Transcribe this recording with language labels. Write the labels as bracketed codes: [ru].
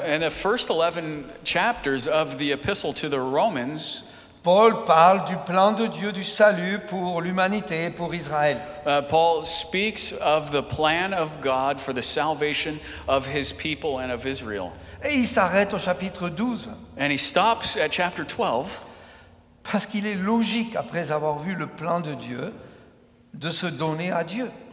[en] and the first 11 chapters of the Epistle to the Romans, [fr] Paul parle du plan de Dieu du salut pour l'humanité et pour Israël. [en] Paul speaks of the plan of God for the salvation of his people and of Israel. [fr] Et il s'arrête au chapitre 12. [en] And he stops at chapter 12. [fr] Parce qu'il est logique, après avoir vu le plan de Dieu, de se donner à Dieu.